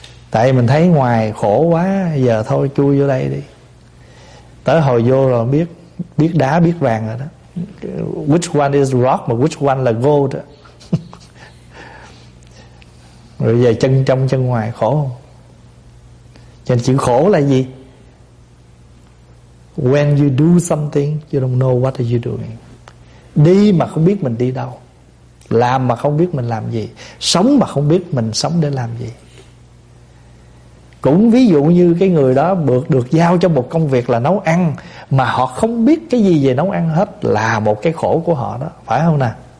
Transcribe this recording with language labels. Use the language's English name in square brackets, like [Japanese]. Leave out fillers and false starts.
[Vietnamese] Tại mình thấy ngoài khổ quá, giờ thôi chui vô đây đi. Tới hồi vô rồi biết, biết đá biết vàng rồi đó. [English] Which one is rock [Vietnamese] mà [English] which one [Vietnamese] là [English] gold [Vietnamese] đó. Rồi giờ chân trong chân ngoài khổ không? Cho nên chữ khổ là gì? [English] When you do something you don't know what are you doing. [Vietnamese] Đi mà không biết mình đi đâu, làm mà không biết mình làm gì, sống mà không biết mình sống để làm gì. Cũng ví dụ như cái người đó được giao cho một công việc là nấu ăn, mà họ không biết cái gì về nấu ăn hết là một cái khổ của họ đó. Phải không nè?